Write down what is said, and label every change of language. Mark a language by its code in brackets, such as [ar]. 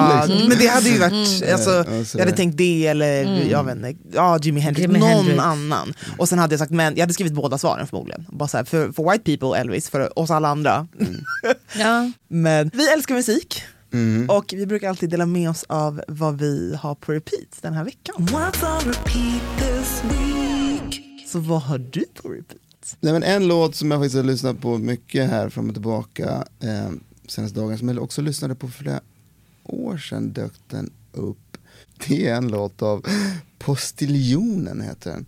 [sv] Men det hade ju varit, alltså, jag hade tänkt det, eller jag vet inte, Jimi Hendrix, annan. Och sen hade jag sagt, men jag hade skrivit båda svaren förmodligen. Bara så här, för [en] white people, [sv] Elvis, för oss alla andra. Men vi älskar musik. Och vi brukar alltid dela med oss av vad vi har på repeat den här veckan. [en] What's on repeat this week? [sv] Så vad har du på repeat? Nej, men en låt som jag faktiskt har lyssnat på mycket här fram och tillbaka senaste dagen, som jag också lyssnade på för flera år sedan, dök den upp. Det är en låt av Postiljonen heter den.